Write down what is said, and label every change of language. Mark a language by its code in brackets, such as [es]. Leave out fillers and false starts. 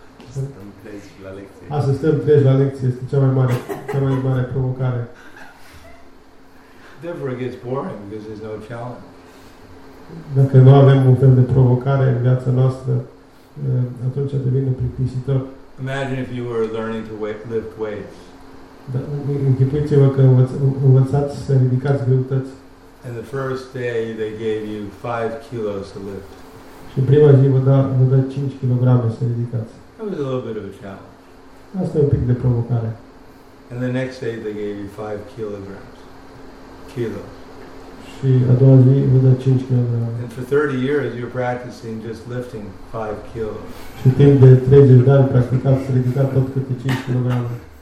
[ro] Să stăm treci la lecție este cea mai mare provocare. [en] Therefore it gets boring because there's no challenge. [ro] Dacă nu avem un fel de provocare în viața noastră, atunci devine plictisitor. [en] Imagine if you were learning to lift weights. [ro] Închipuiți-vă că învățați să ridicați greutăți. [en] And the first day they gave you 5 kilos to lift. [ro] Și prima zi vă dă 5 kilograme să ridicați. [en] That was a little bit of a challenge. [ro] Asta e un pic de provocare. [en] And the next day they gave you 5 kilograms. Kilos. [ro] Și a doua zi vă dă 5 kilograme. [en] And for 30 years you're practicing just lifting 5 kilos. [ro] Și timp de 30 de ani practicați să ridicați tot câte 5 kilograme.